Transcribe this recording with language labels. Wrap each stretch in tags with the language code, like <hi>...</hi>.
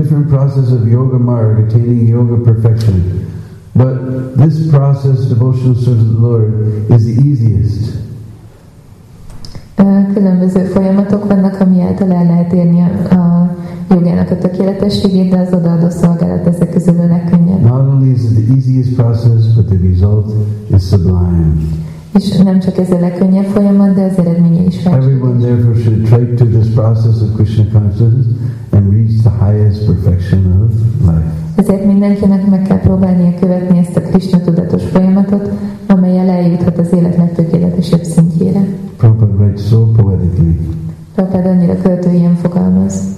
<en>process of yoga marg, attaining yoga perfection. But this process, devotional service of the Lord, is the easiest.</en> <hu>Különböző folyamatok vannak, ami által el lehet érni a jogának a tökéletességét, de az odaadó szolgálat ezek közül a legkönnyebb.</hu> <en>Not only is it the easiest process, but the result is sublime.</en> <hu>És nem csak ez a legkönnyebb folyamat, de az eredménye is felső.</hu> <en>Everyone therefore should try to this process of Krishna consciousness and reach the highest perfection of life.</en> <hu>Ezért mindenkinek meg kell próbálnia követni ezt a Krishna tudatos folyamatot, amelyel eljuthat az élet legtökéletesebb szintjére.</hu> <en>Prabhupada writes so poetically.</en> <hu>Prabhupada annyira költő ilyen fogalmaz.</hu>